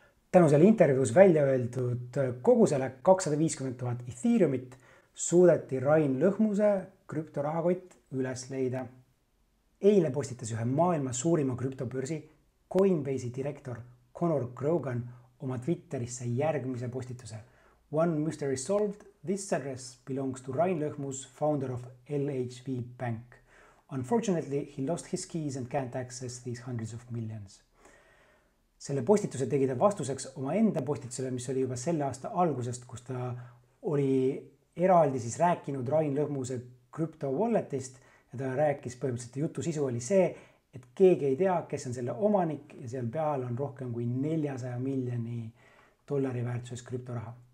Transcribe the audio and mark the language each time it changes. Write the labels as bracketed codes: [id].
[et] Tänu selle intervjuus välja öeldud kogusele 250 000 Ethereumit suudeti Rain Lõhmuse krüptorahakott üles leida. Eile postitas ühe maailma suurima krüptobörsi Coinbase'i direktor Conor Grogan oma Twitterisse järgmise postituse. [en] One mystery solved, this address belongs to Rain Lõhmus, founder of LHV Bank. Unfortunately, he lost his keys and can't access these hundreds of millions. [et] Selle postituse tegi ta vastuseks oma enda postitusele, mis oli juba selle aasta algusest, kus ta oli eraldi siis rääkinud Rain Lõhmuse crypto walletist ja ta rääkis põhimõtteliselt jutu sisu oli see, et keegi ei tea, kes on selle omanik ja seal peal on rohkem kui 400 miljoni dollari väärtuses krüptoraha.